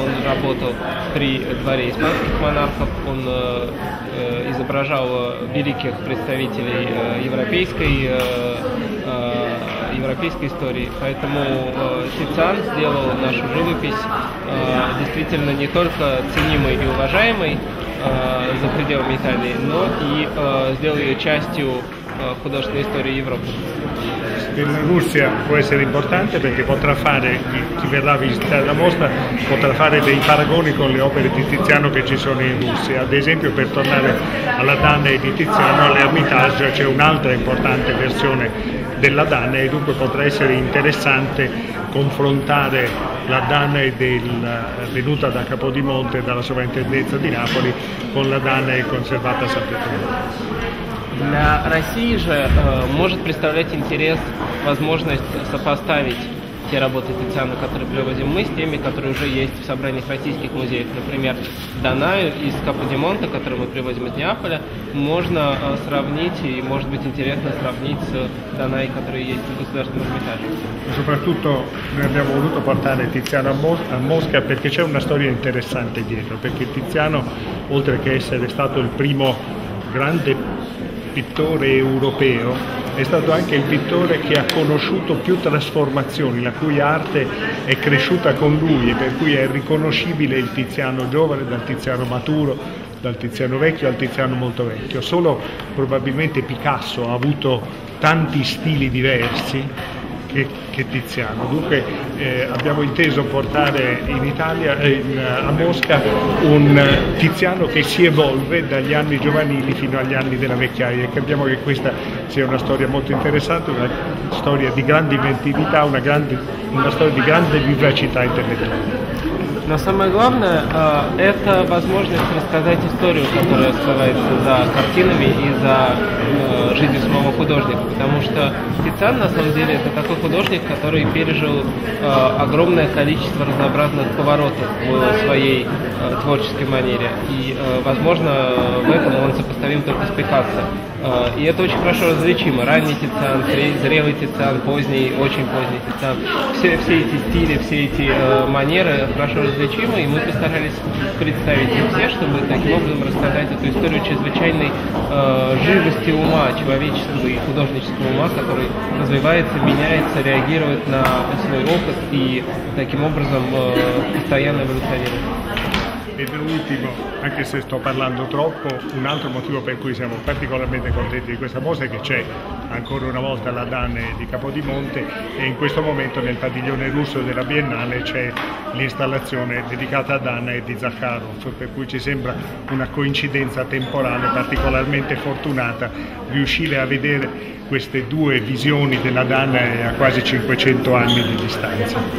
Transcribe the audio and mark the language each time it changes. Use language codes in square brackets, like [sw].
[ru] Он работал при дворе испанских монархов, он изображал великих представителей европейской истории, поэтому Тициан сделал нашу живопись действительно не только ценимой и уважаемой за пределами Италии, но и сделал ее частью художественной истории Европы. [it] La Russia può essere importante perché potrà fare, chi verrà a visitare la mostra potrà fare dei paragoni con le opere di Tiziano che ci sono in Russia. Ad esempio, per tornare alla Danae di Tiziano, all'Ermitage c'è un'altra importante versione della Danae e dunque potrà essere interessante confrontare la Danae venuta da Capodimonte, dalla sovrintendenza di Napoli, con la Danae conservata a San Pietroburgo. [ru] Для России же может представлять интерес возможность сопоставить те работы Тициана, которые привозим мы, с теми, которые уже есть в собраниях российских музеев. Например, Данаю из Каподимонта, который мы привозим из Неаполя, можно сравнить и может быть интересно сравнить с Данаи, которые есть в государственном Эрмитаже. [it] Soprattutto abbiamo voluto portare Tiziano a Mosca perché c'è una storia interessante dietro, perché Tiziano, oltre che essere stato il primo grande pittore europeo, è stato anche il pittore che ha conosciuto più trasformazioni, la cui arte è cresciuta con lui e per cui è riconoscibile il Tiziano giovane dal Tiziano maturo, dal Tiziano vecchio al Tiziano molto vecchio. Solo probabilmente Picasso ha avuto tanti stili diversi che Tiziano. Dunque abbiamo inteso portare in Italia, a Mosca, un Tiziano che si evolve dagli anni giovanili fino agli anni della vecchiaia, e capiamo che questa sia una storia molto interessante, una storia di grande inventività, una storia di grande vivacità intellettuale. [ru] Но самое главное, это возможность рассказать историю, которая скрывается за картинами и за жизнью самого художника. Потому что Тициан, на самом деле, это такой художник, который пережил огромное количество разнообразных поворотов в своей творческой манере. И, возможно, в этом он сопоставим только с Пикассо. И это очень хорошо различимо. Ранний Тициан, зрелый Тициан, поздний, очень поздний Тициан. Все эти стили, все эти манеры хорошо различимы, и мы постарались представить им все, чтобы таким образом рассказать эту историю чрезвычайной живости ума, человеческого и художнического ума, который развивается, меняется, реагирует на свой опыт и таким образом постоянно эволюционирует. [it] E da ultimo, anche se sto parlando troppo, un altro motivo per cui siamo particolarmente contenti di questa mostra è che c'è ancora una volta la Danne di Capodimonte, e in questo momento nel padiglione russo della Biennale c'è l'installazione dedicata a Danne e di Zakharov, per cui ci sembra una coincidenza temporale particolarmente fortunata riuscire a vedere queste due visioni della Danne a quasi 500 anni di distanza.